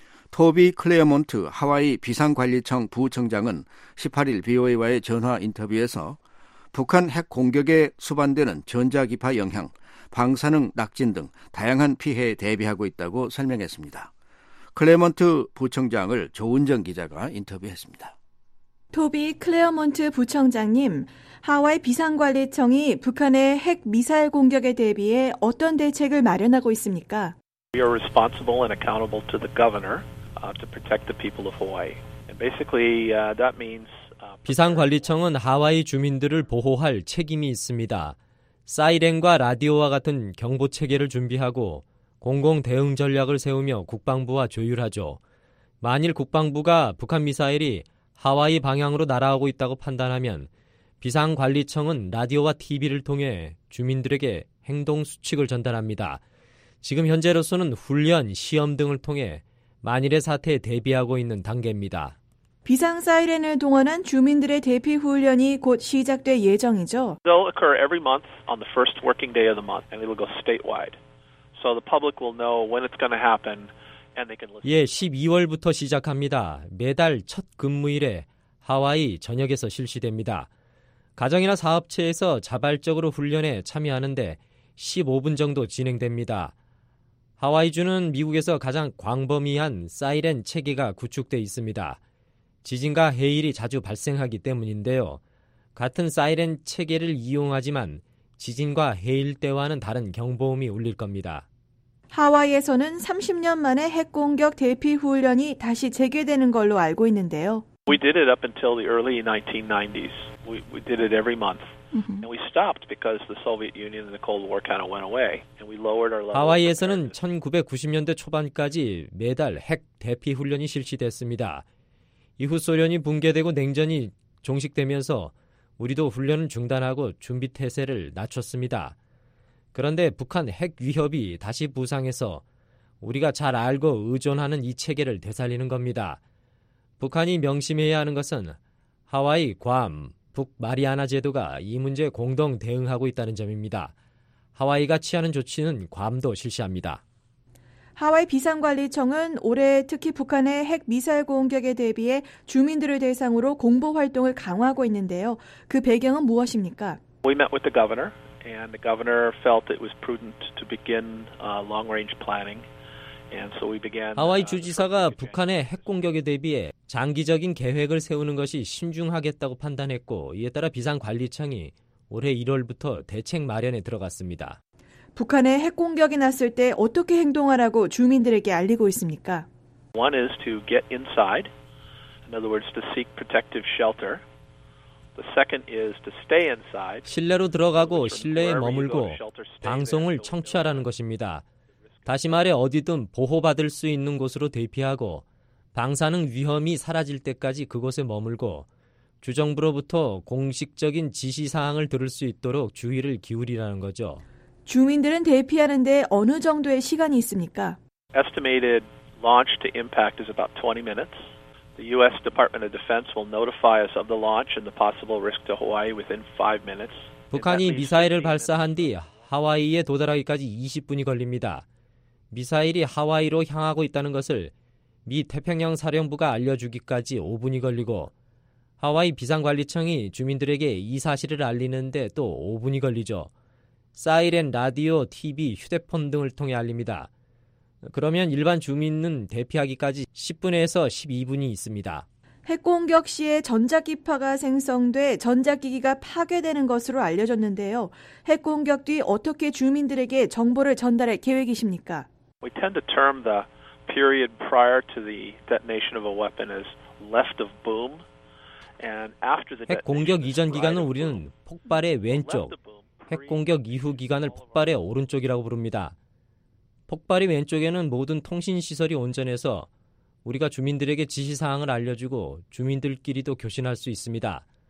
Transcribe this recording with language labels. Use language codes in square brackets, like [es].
[ko] 토비 클레어몬트 하와이 비상관리청 부청장은 18일 BOA와의 전화 인터뷰에서 북한 핵 공격에 수반되는 전자기파 영향, 방사능 낙진 등 다양한 피해에 대비하고 있다고 설명했습니다. 클레어몬트 부청장을 조은정 기자가 인터뷰했습니다. 토비 클레어몬트 부청장님, 하와이 비상관리청이 북한의 핵 미사일 공격에 대비해 어떤 대책을 마련하고 있습니까? [en] We are responsible and accountable to the governor to protect the people of Hawaii. And basically, that means [ko] 비상관리청은 하와이 주민들을 보호할 책임이 있습니다. 사이렌과 라디오와 같은 경보 체계를 준비하고 공공 대응 전략을 세우며 국방부와 조율하죠. 만일 국방부가 북한 미사일이 하와이 방향으로 날아오고 있다고 판단하면 비상관리청은 라디오와 TV를 통해 주민들에게 행동 수칙을 전달합니다. 지금 현재로서는 훈련, 시험 등을 통해 만일의 사태에 대비하고 있는 단계입니다. 비상 사이렌을 동원한 주민들의 대피 훈련이 곧 시작될 예정이죠. [en] They'll occur every month on the first working day of the month and it'll go statewide. So the public will know when it's going to happen and they can listen. [ko] 예, 12월부터 시작합니다. 매달 첫 근무일에 하와이 전역에서 실시됩니다. 가정이나 사업체에서 자발적으로 훈련에 참여하는데 15분 정도 진행됩니다. 하와이주는 미국에서 가장 광범위한 사이렌 체계가 구축돼 있습니다. 지진과 해일이 자주 발생하기 때문인데요. 같은 사이렌 체계를 이용하지만 지진과 해일 때와는 다른 경보음이 울릴 겁니다. 하와이에서는 30년 만에 핵공격 대피 훈련이 다시 재개되는 걸로 알고 있는데요. [en] We did it up until the early 1990s. We did it every month. And we stopped because the Soviet Union and the Cold War kind of went away. And we lowered our level. [ko] 하와이에서는 1990년대 초반까지 매달 핵 대피 훈련이 실시됐습니다. 이후 소련이 붕괴되고 냉전이 종식되면서 우리도 훈련을 중단하고 준비 태세를 낮췄습니다. 그런데 북한 핵 위협이 다시 부상해서 우리가 잘 알고 의존하는 이 체계를 되살리는 겁니다. 북한이 명심해야 하는 것은 하와이, 괌, 북 마리아나 제도가 이 문제에 공동 대응하고 있다는 점입니다. 하와이가 취하는 조치는 괌도 실시합니다. 하와이 비상관리청은 올해 특히 북한의 핵 미사일 공격에 대비해 주민들을 대상으로 공보 활동을 강화하고 있는데요. 그 배경은 무엇입니까? [en] We met with the governor, and the governor felt it was prudent to begin long-range planning. And so we began. [ko] 하와이 주지사가 북한의 핵 공격에 대비해 장기적인 계획을 세우는 것이 신중하겠다고 판단했고, 이에 따라 비상관리청이 올해 1월부터 대책 마련에 들어갔습니다. 북한의 핵 공격이 났을 때 어떻게 행동하라고 주민들에게 알리고 있습니까? [en] One is to get inside. In other words, to seek protective shelter. The second is to stay inside. [ko] 실내로 들어가고 실내에 머물고 방송을 청취하라는 것입니다. 다시 말해 어디든 보호받을 수 있는 곳으로 대피하고 방사능 위험이 사라질 때까지 그곳에 머물고 주정부로부터 공식적인 지시사항을 들을 수 있도록 주의를 기울이라는 거죠. 주민들은 대피하는 데 어느 정도의 시간이 있습니까? [en] Estimated launch to impact is about 20 minutes. The U.S. Department of Defense will notify us of the launch and the possible risk to Hawaii within 5 minutes. [ko] 북한이 미사일을 발사한 뒤 하와이에 도달하기까지 20분이 걸립니다. 미사일이 하와이로 향하고 있다는 것을 미 태평양 사령부가 알려주기까지 5분이 걸리고 하와이 비상관리청이 주민들에게 이 사실을 알리는데 또 5분이 걸리죠. 사이렌, 라디오, TV, 휴대폰 등을 통해 알립니다. 그러면 일반 주민은 대피하기까지 10분에서 12분이 있습니다. 핵공격 시에 전자기파가 생성돼 전자기기가 파괴되는 것으로 알려졌는데요. 핵공격 뒤 어떻게 주민들에게 정보를 전달할 계획이십니까? [en] We tend to term the period prior to the detonation of a weapon as left of boom. [ko] 핵 공격 이전 기간을 우리는 폭발의 왼쪽, 핵 공격 이후 기간을 폭발의 오른쪽이라고 부릅니다. 폭발의 왼쪽에는 모든 통신 시설이 온전해서 우리가 주민들에게 지시 사항을 알려주고 주민들끼리도 교신할 수 있습니다.